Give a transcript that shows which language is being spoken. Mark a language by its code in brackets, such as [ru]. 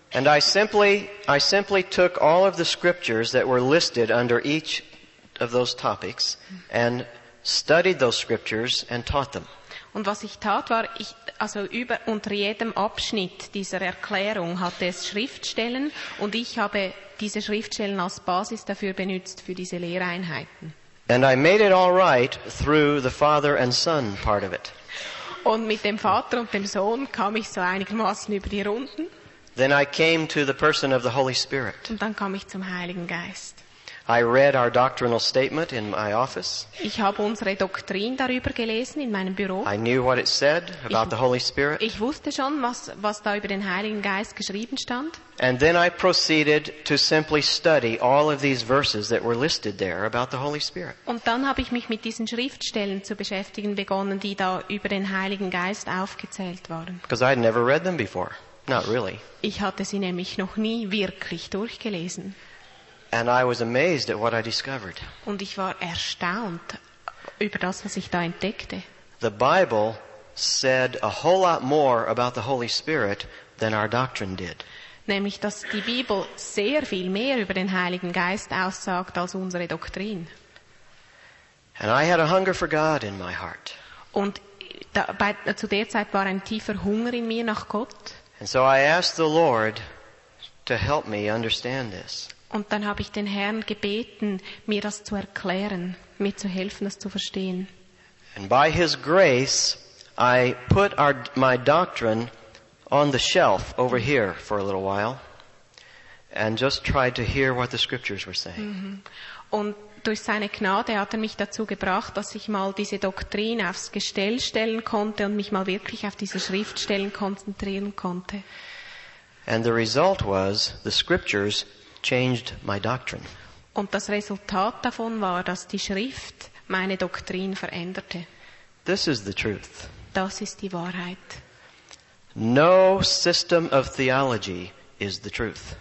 [en] And I simply took all of the scriptures that were listed under each of those topics and studied those scriptures and taught them. [de] Und was ich tat war, ich also über unter jedem Abschnitt dieser Erklärung hatte es Schriftstellen und ich habe diese Schriftstellen als Basis dafür benutzt für diese Lehreinheiten. [en] And I made it all right through the Father and Son part of it. [de] Und mit dem Vater und dem Sohn kam ich so einigermaßen über die Runden. [en] Then I came to the person of the Holy Spirit. [de] Und dann kam ich zum Heiligen Geist. [en] I read our doctrinal statement in my office. [de] Ich habe unsere Doktrin darüber gelesen in meinem Büro. [en] I knew what it said about the Holy Spirit. [de] Ich wusste schon, was da über den Heiligen Geist geschrieben stand. [en] And then I proceeded to simply study all of these verses that were listed there about the Holy Spirit. [de] Und dann habe ich mich mit diesen Schriftstellen zu beschäftigen begonnen, die da über den Heiligen Geist aufgezählt waren. [en] Because I had never read them before. Not really. [de] Ich hatte sie nämlich noch nie wirklich durchgelesen. [en] And I was amazed at what I discovered. [de] Und ich war erstaunt über das, was ich da entdeckte. [en] The Bible said a whole lot more about the Holy Spirit than our doctrine did. [de] Nämlich, dass die Bibel sehr viel mehr über den Heiligen Geist aussagt als unsere Doktrin. [en] And I had a hunger for God in my heart. [de] Und zu der Zeit war ein tiefer Hunger in mir nach Gott. [en] And so I asked the Lord to help me understand this. [de] Und dann habe ich den Herrn gebeten, mir das zu erklären, mir zu helfen, das zu verstehen. [en] And by his grace, I put my doctrine on the shelf over here for a little while and just tried to hear what the scriptures were saying. [de] Und durch seine Gnade hat er mich dazu gebracht, dass ich mal diese Doktrin aufs Gestell stellen konnte und mich mal wirklich auf diese Schriftstellen konzentrieren konnte. [en] And the result was, the scriptures changed my doctrine. [de] Und das Resultat davon war, dass die Schrift meine Doktrin veränderte. [en] This is the truth. [de] Das ist die Wahrheit. [en] No system of theology is the truth.